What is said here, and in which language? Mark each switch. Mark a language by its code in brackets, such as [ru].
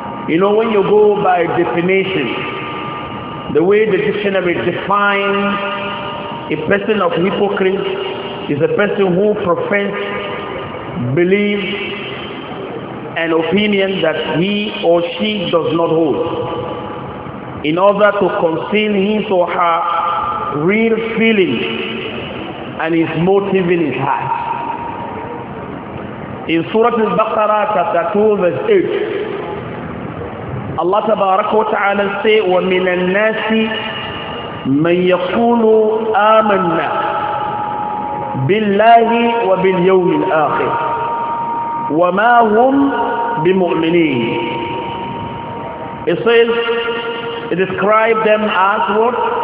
[en] You know, when you go by definition, the way the dictionary defines a person of hypocrite is a person who professes belief and opinion that he or she does not hold in order to conceal his or her real feelings and his motive in his heart. In Surah Al-Baqarah chapter 2 verse 8, Allah Tabaraka wa Ta'ala say, [ar] وَمِنَ النَّاسِ مَنْ يَقُولُ آمَنَّا بِاللَّهِ وَبِالْيَوْمِ الْآخِرِ وَمَا هُمْ بِمُؤْمِنِينَ. [en] It says, it described them as what?